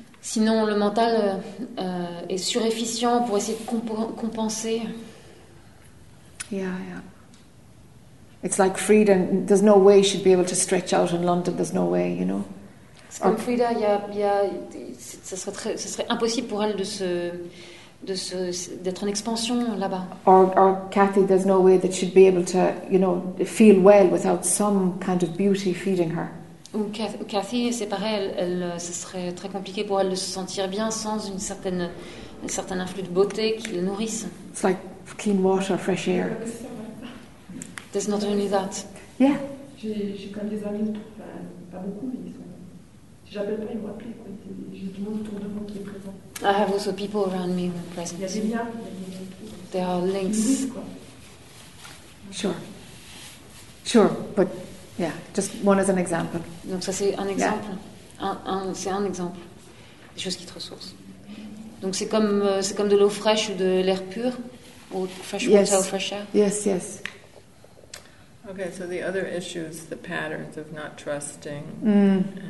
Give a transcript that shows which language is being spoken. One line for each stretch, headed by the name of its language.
French: Sinon, le mental est surefficient pour essayer de compenser.
English: Yeah, yeah. It's like Frida, there's no way she'd be able to stretch out in London, there's no way, you know.
French: C'est comme Frida, ça serait impossible pour elle d'être en expansion là-bas.
English: Or Cathy, there's no way that she'd be able to, you know, feel well without some kind of beauty feeding her.
French: Ou Cathy, c'est pareil, elle, ça serait très compliqué pour elle de se sentir bien sans un certain influx de beauté qui la nourrisse.
English: It's like clean water, fresh air. There's not only that. Yeah.
French: J'ai quand même des amis, enfin, pas beaucoup, mais ils sont.
English: I have also people around me who are present. There are links. Sure. Sure, but yeah, just one as an example.
French: Donc ça c'est un exemple. Yeah. C'est un exemple. Des choses qui te ressourcent. Donc c'est comme de l'eau fraîche ou de l'air pur, ou
English: fresh water, yes. Or fresh air. Yes, yes. Okay, so the other issues, the patterns of not trusting.